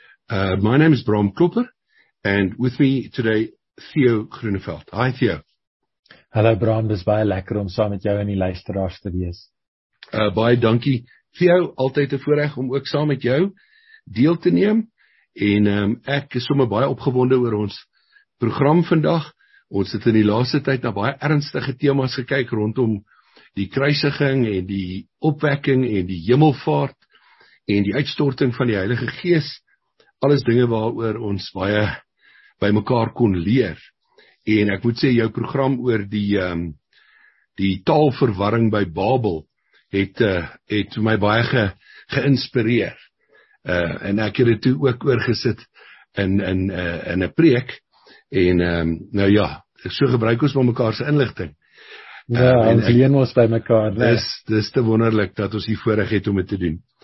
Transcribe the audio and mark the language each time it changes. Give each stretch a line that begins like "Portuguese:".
English: My name is Bram Klopper, and with me today, Theo Groeneveld. Hi, Theo.
Afrikaans: Hallo, Bram. Dis baie lekker om saam met jou in die luisteraars te wees. Baie dankie, Theo. Altyd 'n voorreg om ook saam met jou deel te neem. En ek is sommer baie opgewonde oor ons program vandag. Ons het in die laaste tyd na baie ernstige temas gekyk rondom die kruisiging en die opwekking en die hemelvaart en die uitstorting van die Heilige Gees, alles dinge waaroor ons baie by mekaar kon leer. En ek moet sê, jou program oor die taalverwarring by Babel het my baie geïnspireer. En ek het dit toe ook oorgesit in 'n preek en nou ja, so gebruik ons maar mekaar se inligting. Ja, ons leen ons by mekaar. Dis te wonderlik dat ons hier voorreg het om dit te doen.